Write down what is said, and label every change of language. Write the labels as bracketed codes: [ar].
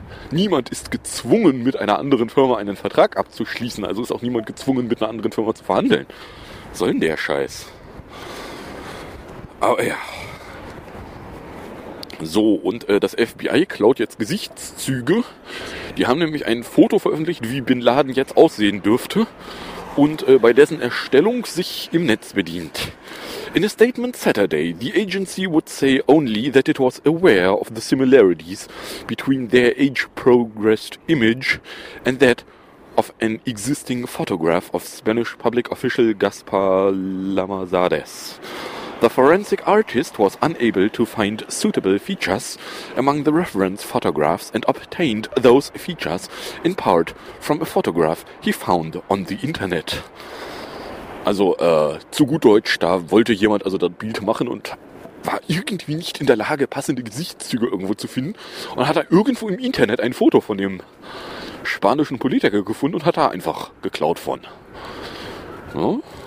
[de] Niemand ist gezwungen, mit einer anderen Firma einen Vertrag abzuschließen, also ist auch niemand gezwungen, mit einer anderen Firma zu verhandeln. Sollen der Scheiß. Aber ja. So, und das FBI klaut jetzt Gesichtszüge. Die haben nämlich ein Foto veröffentlicht, wie Bin Laden jetzt aussehen dürfte und bei dessen Erstellung sich im Netz bedient. [en] In a statement Saturday, the agency would say only that it was aware of the similarities between their age-progressed image and that of an existing photograph of Spanish public official Gaspar Lamazares. The forensic artist was unable to find suitable features among the reference photographs and obtained those features in part from a photograph he found on the internet. [de] Also, zu gut Deutsch, da wollte jemand also das Bild machen und war irgendwie nicht in der Lage, passende Gesichtszüge irgendwo zu finden und hat da irgendwo im Internet ein Foto von dem spanischen Politiker gefunden und hat da einfach geklaut von. Ja?